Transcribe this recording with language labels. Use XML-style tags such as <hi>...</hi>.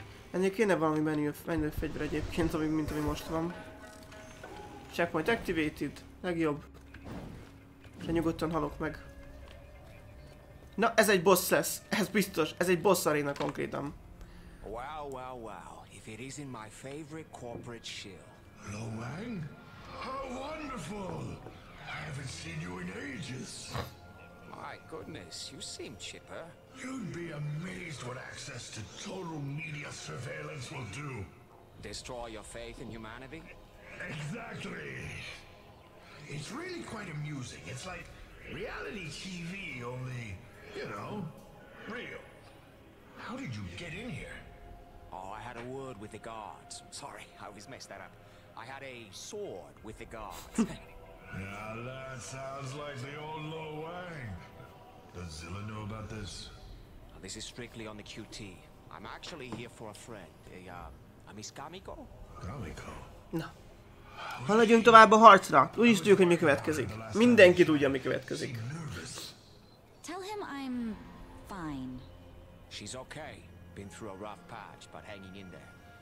<hu>Ennél kéne valami menő fegyver egyébként, mint ami most van.</hu> <en>Checkpoint activated.</en> <hu>Legjobb. És nyugodtan halok meg. Na, ez egy boss lesz. Ez biztos. Ez egy boss aréna konkrétan. Wow, wow, wow.</hu> <en>If it isn't my favorite corporate shill. Hello, Wang. How wonderful. I haven't seen you in ages. My goodness, you seem chipper. You'd be amazed what access to total media surveillance will do. Destroy your faith in humanity? Exactly. It's really quite amusing. It's like reality TV, only, you know, real. How did you get in here? Oh, I had a word with the guards. Sorry, I always messed that up. I had a sword with the guards. Now that sounds like the old Lo Wang. Does Zilla know about this? This is strictly on the QT. I'm actually here for a friend. A Miss Kamiko? Kamiko? No.</en> <hu>Haladjunk tovább a harcra. Úgy is tudjuk, hogy mi következik. Mindenki tudja, mi következik.</hu> <en>Tell him I'm fine. She's okay. Been through a rough patch, but hanging in there.</en>